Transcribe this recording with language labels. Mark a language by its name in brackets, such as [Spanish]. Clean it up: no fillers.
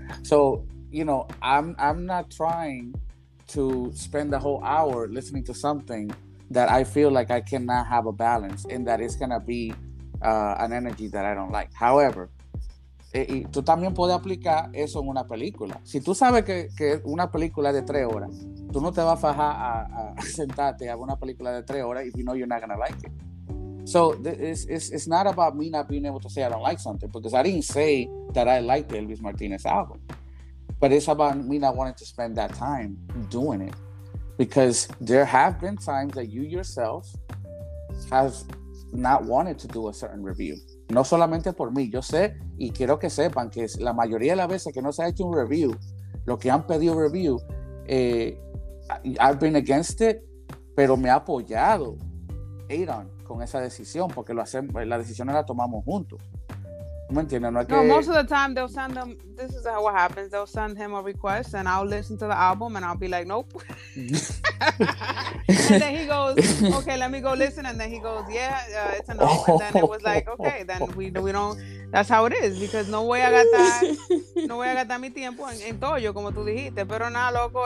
[English] So, you know, I'm not trying to spend the whole hour listening to something that I feel like I cannot have a balance and that it's going to be an energy that I don't like. [Spanish] However, y tú también puedes aplicar eso en una película. Si tú sabes que una película es de 3 horas, tú no te vas a fajar a sentarte a una película de 3 horas [English] if you know you're not going to like it. So it's not about me not being able to say I don't like something, because I didn't say that I liked the Elvis Martinez album. But it's about me not wanting to spend that time doing it. Because there have been times that you yourself have not wanted to do a certain review. [Spanish] No solamente por mí. Yo sé y quiero que sepan que la mayoría de las veces que no se ha hecho un review, lo que han pedido review, [English] I've been against it, [Spanish] pero me ha apoyado Aaron con esa decisión, porque la decisión la tomamos juntos. [English] No, most of the time they'll send them. This is what happens. They'll send him a request, and I'll listen to the album, and I'll be like, nope. And then he goes, okay, let me go listen. And then he goes, yeah, it's a no. And then it was like, okay, then we don't. That's how it is, because [Spanish] no voy a gastar mi tiempo en toyo, como tú dijiste. Pero nada, loco.